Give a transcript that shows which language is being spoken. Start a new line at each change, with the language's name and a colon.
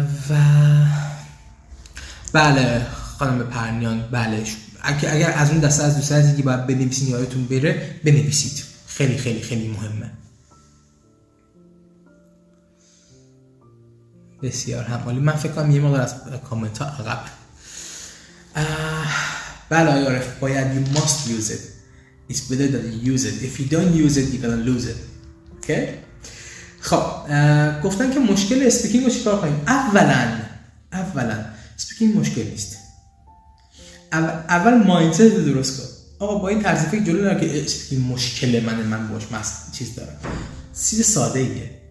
Persian: و بله خانم پرنیان، بله اگر از اون دسته از دوست هستی که باید بنویسین یادتون بره، بنویسید، خیلی خیلی خیلی مهمه. بسیار هم عالی. من فکر کنم یه مقدار از کامنت ها عقب. بله آقای عارف، باید
English: you must use it. It's better than you use it. If you don't use it, you're gonna lose it. Okay?
Persian: خب، گفتن که مشکل اسپیکینگ رو چیکار کنیم؟ اولا اسپیکینگ مشکل نیست. اول مایندست رو درست کن. آقا با این طرز فکر جلو نره که اسپیکینگ مشکل من باش چیز دارم. چیز ساده ایه.